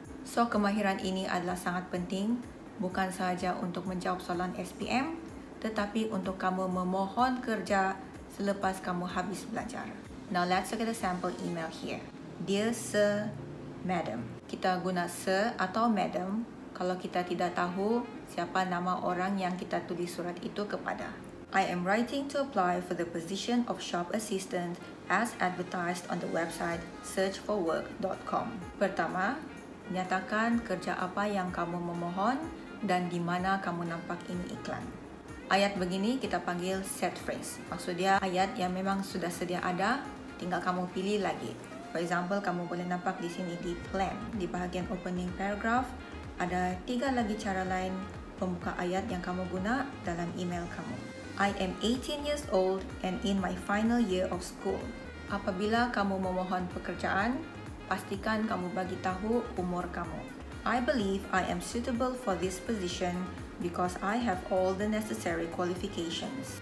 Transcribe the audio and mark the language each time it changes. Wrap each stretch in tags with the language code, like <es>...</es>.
<ms>So, kemahiran ini adalah sangat penting bukan sahaja untuk menjawab soalan SPM tetapi untuk kamu memohon kerja selepas kamu habis belajar.</ms> <en>Now let's look at a sample email here. Dear Sir, Madam.</en> <ms>Kita guna Sir atau Madam kalau kita tidak tahu siapa nama orang yang kita tulis surat itu kepada.</ms> <en>I am writing to apply for the position of shop assistant as advertised on the website searchforwork.com.</en> <ms>Pertama, nyatakan kerja apa yang kamu memohon dan di mana kamu nampak ini iklan. Ayat begini kita panggil set phrase. Maksudnya ayat yang memang sudah sedia ada, tinggal kamu pilih lagi.</ms> <en>For example,</en> <ms>kamu boleh nampak di sini di plan. Di bahagian opening paragraph, ada tiga lagi cara lain pembuka ayat yang kamu guna dalam email kamu.</ms> <en>I am 18 years old and in my final year of school.</en> <ms>Apabila kamu memohon pekerjaan, pastikan kamu bagi tahu umur kamu.</ms> <en>I believe I am suitable for this position because I have all the necessary qualifications.</en>